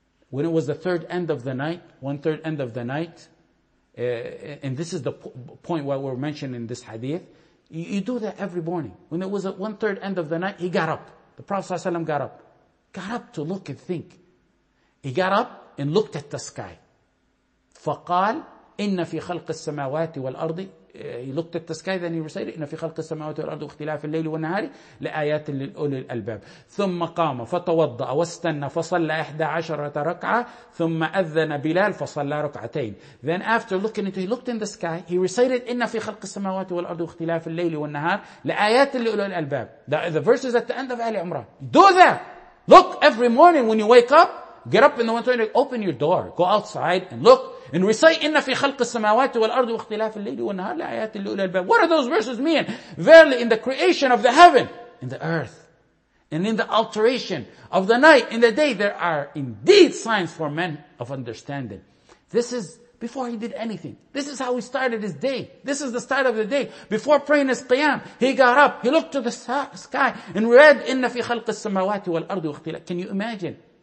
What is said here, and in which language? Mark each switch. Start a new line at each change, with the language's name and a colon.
English: When it was the third end of the night, one third end of the night, and this is the point why we're mentioning in this hadith, you do that every morning. When it was at one third end of the night, he got up. The Prophet ﷺ got up. Got up to look and think. He got up and looked at the sky. فَقَالَ
Arabic: إِنَّ فِي خَلْقِ السَّمَاوَاتِ وَالْأَرْضِ
English: He looked at the sky, then he recited,
Arabic: إِنَّ فِي خَلْقِ السَّمَاوَاتِ وَالْأَرْضِ وَاخْتِلَافِ اللَّيْلِ وَالنَّهَارِ لَآيَاتٍ لِلْأُولِي الْأَلْبَابِ ثُمَّ قَامَ فَتَوَضَّأَ وَاسْتَنَّ فَصَلَّى 11 رَكْعَةً ثُمَّ أَذَّنَ بِلَالٍ فَصَلَّى رَكْعَتَيْنِ
English: Then after looking into, he looked in the sky, he recited,
Arabic: إِنَّ فِي خَلْقِ السَّمَاوَاتِ وَالْأَرْضِ وَاخْتِلَافِ اللَّيْلِ وَالنَّهَارِ لَآيَاتٍ لِلْأُولِي الْأَلْبَابِ
English: The verses at the end of Ali Imran. Do that! Look every morning when you wake up, get up in the morning, open your door, go outside and look. And recite,
Arabic: إِنَّ فِي خَلْقِ السَّمَاوَاتِ وَالْأَرْضِ وَاخْتِلَافِ اللَّيْلِ وَالنَّهَارِ لَآيَاتٍ لِأُولِي الْأَلْبَابِ
English: What do those verses mean? Verily, in the creation of the heaven, in the earth, and in the alteration of the night, in the day, there are indeed signs for men of understanding. This is before he did anything. This is how he started his day. This is the start of the day. Before praying his qiyam, he got up, he looked to the sky, and read,
Arabic: إِنَّ فِي خَلْقِ السَّمَاوَاتِ وَالْأَرْضِ وَاخْتِلَافِ
English: Can you imagine?